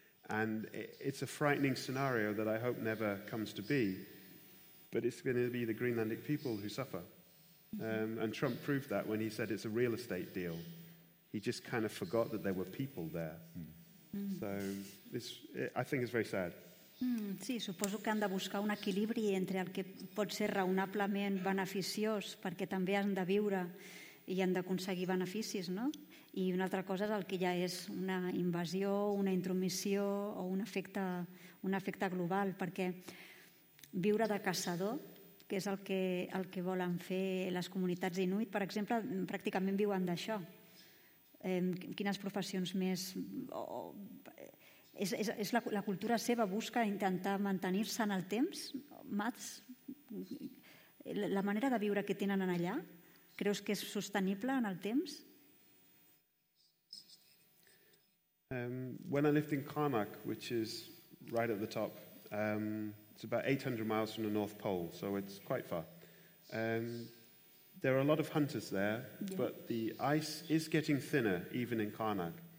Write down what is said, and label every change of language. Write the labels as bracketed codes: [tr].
[en] And it's a frightening scenario that I hope never comes to be, but it's going to be the Greenlandic people who suffer. And Trump proved that when he said it's a real estate deal. He just kind of forgot that there were people there. Mm. So this, I think it's very sad. [ca] Sí, suposo que han de buscar un equilibri entre el que pot ser raonablement beneficiós, perquè també han de viure I han d'aconseguir beneficis, no? I una altra cosa és el que ja és una invasió, una intromissió o un efecte global, perquè viure de caçador, que és el que volen fer les comunitats inuit, per exemple, pràcticament viuen d'això. Quines professions més... És la cultura seva busca intentar mantenir-se en el temps, Mats? La manera de viure que tenen allà, creus que és sostenible en el temps? [en] When I lived in Karnak, which is right at the top, it's about 800 miles from the North Pole, so it's quite far. There are a lot of hunters there, yeah. But the ice is getting thinner, even in Karnak.